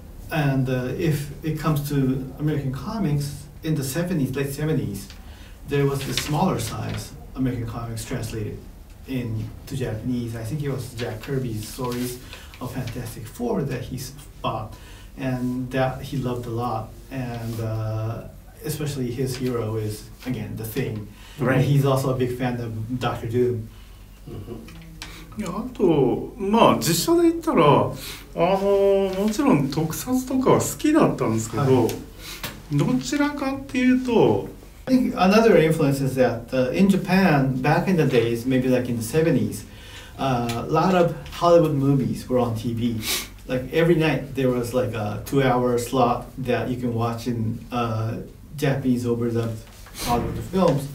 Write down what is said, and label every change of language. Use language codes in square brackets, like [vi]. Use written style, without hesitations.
[en] And if it comes to American comics, in the 70s, late 70s, there was the smaller size American comics translated into Japanese. I think it was Jack Kirby's stories of Fantastic Four that he bought, and that he loved a lot. And especially his hero is, again, the Thing. Right. And he's also a big fan of Dr. Doom. [ja] あとまあ実写で言ったらもちろん特撮とかは好きだったんですけど、はい、どちらかっていうと [en] I think another influence is that in Japan back in the days maybe like in the 70s a lot of Hollywood movies were on TV like every night there was like a 2-hour slot that you can watch in Japanese overdubbed Hollywood films,